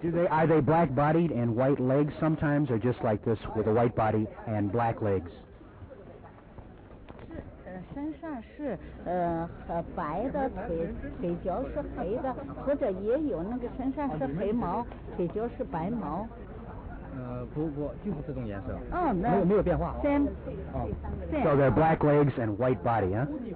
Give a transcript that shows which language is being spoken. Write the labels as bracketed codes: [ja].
[en] Are they black-bodied and white legs sometimes, or just like this with a white body and black legs? [zh] 身上是白的，腿脚是黑的，或者也有那个身上是黑毛，腿脚是白毛。不，就是这种颜色。那没有变化。 [en] Same. So they're black legs and white body, huh?